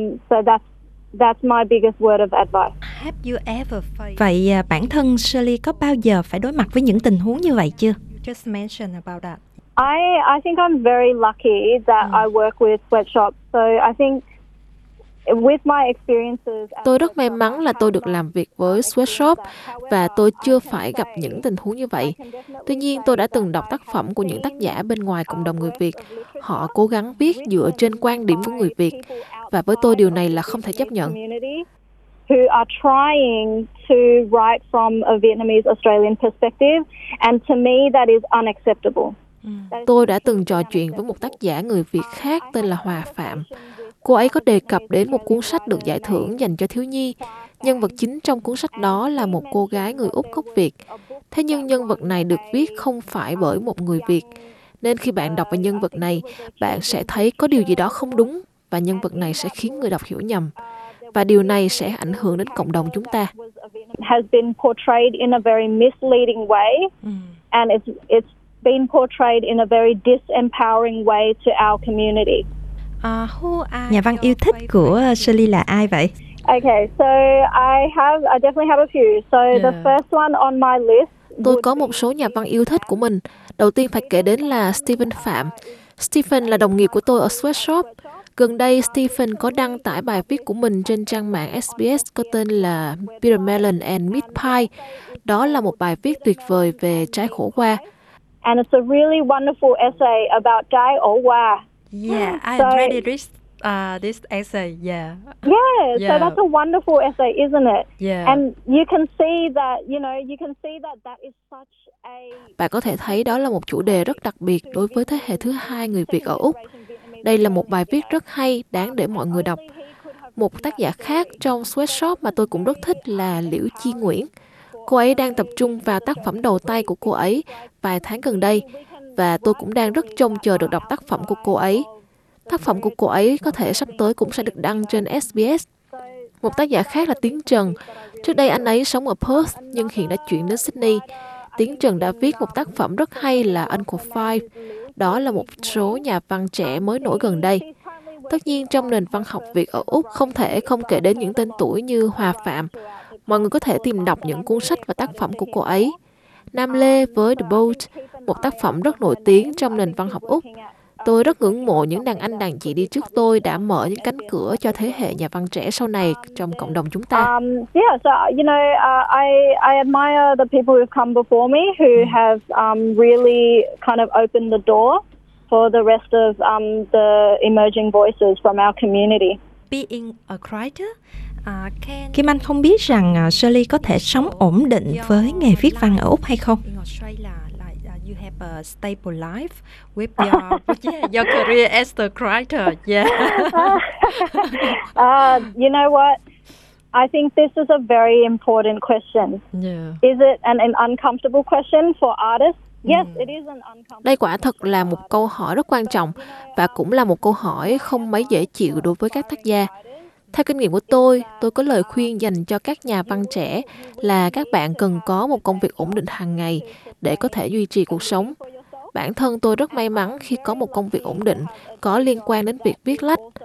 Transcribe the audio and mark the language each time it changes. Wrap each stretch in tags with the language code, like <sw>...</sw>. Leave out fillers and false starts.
<en>So that's my biggest word of advice. Have you ever faced...</en> <vi>Vậy bản thân Shelley có bao giờ phải đối mặt với những tình huống như vậy chưa?</vi> <en>Just mention about that. I think I'm very lucky that I work with Sweatshop. So I think with my experiences,</en> <vi>tôi rất may mắn là tôi được làm việc với Sweatshop và tôi chưa phải gặp những tình huống như vậy. Tuy nhiên, tôi đã từng đọc tác phẩm của những tác giả bên ngoài cộng đồng người Việt. Họ cố gắng viết dựa trên quan điểm của người Việt và với tôi điều này là không thể chấp nhận.</vi> <en>Who are trying to write from a Vietnamese Australian perspective, and to me that is unacceptable.</en> <vi>Tôi đã từng trò chuyện với một tác giả người Việt khác tên là Hòa Phạm. Cô ấy có đề cập đến một cuốn sách được giải thưởng dành cho thiếu nhi. Nhân vật chính trong cuốn sách đó là một cô gái người Úc gốc Việt. Thế nhưng nhân vật này được viết không phải bởi một người Việt. Nên khi bạn đọc về nhân vật này, bạn sẽ thấy có điều gì đó không đúng và nhân vật này sẽ khiến người đọc hiểu nhầm. Và điều này sẽ ảnh hưởng đến cộng đồng chúng ta.</vi> <en>Has been portrayed in a very misleading way and it's been portrayed in a very disempowering way to our community.</en> <vi>Nhà văn yêu thích của Shelley là ai vậy?</vi> <en>Okay, so I definitely have a few. So yeah. The first one on my list.</en> <vi>Tôi có một số nhà văn yêu thích của mình. Đầu tiên phải kể đến là Stephen Phạm. Stephen là đồng nghiệp của tôi ở Sweatshop. Gần đây Stephen có đăng tải bài viết của mình trên trang mạng SBS có tên là Bitter Melon and Meat Pie. Đó là một bài viết tuyệt vời về trái khổ qua.</vi> <en>And it's a really wonderful essay about</en> <vi>trái ổ qua.</vi> <en>Yeah, I read it this essay, yeah. Yeah, yeah, so that's a wonderful essay, isn't it? Yeah. And you can see that, you know, you can see that that is such a...</en> <vi>Bạn có thể thấy đó là một chủ đề rất đặc biệt đối với thế hệ thứ hai người Việt ở Úc. Đây là một bài viết rất hay, đáng để mọi người đọc. Một tác giả khác trong Sweatshop mà tôi cũng rất thích là Liễu Chi Nguyễn. Cô ấy đang tập trung vào tác phẩm đầu tay của cô ấy vài tháng gần đây, và tôi cũng đang rất trông chờ được đọc tác phẩm của cô ấy. Tác phẩm của cô ấy có thể sắp tới cũng sẽ được đăng trên SBS. Một tác giả khác là Tiến Trần. Trước đây anh ấy sống ở Perth, nhưng hiện đã chuyển đến Sydney. Tiến Trần đã viết một tác phẩm rất hay là Uncle Five. Đó là một số nhà văn trẻ mới nổi gần đây. Tất nhiên, trong nền văn học Việt ở Úc không thể không kể đến những tên tuổi như Hòa Phạm. Mọi người có thể tìm đọc những cuốn sách và tác phẩm của cô ấy. Nam Lê với The Boat, một tác phẩm rất nổi tiếng trong nền văn học Úc. Tôi rất ngưỡng mộ những đàn anh đàn chị đi trước tôi đã mở những cánh cửa cho thế hệ nhà văn trẻ sau này trong cộng đồng chúng ta.</vi> <en>Yeah, so you know, I admire the people who've come before me who have really kind of opened the door for the rest of the emerging voices from our community. Being a writer,</en> <vi>Kim Anh không biết rằng Shirley có thể sống ổn định với nghề viết văn ở Úc hay không?</vi> <en>You have a stable life with your career as the writer. Yeah. You know what? I think this is a very important question. Yeah. Is it an uncomfortable question for artists? Yes, it is an uncomfortable.</en> <vi>Đây quả thật là một câu hỏi rất quan trọng và cũng là một câu hỏi không mấy dễ chịu đối với các tác gia. Theo kinh nghiệm của tôi có lời khuyên dành cho các nhà văn trẻ là các bạn cần có một công việc ổn định hàng ngày để có thể duy trì cuộc sống. Bản thân tôi rất may mắn khi có một công việc ổn định có liên quan đến việc viết lách.</vi>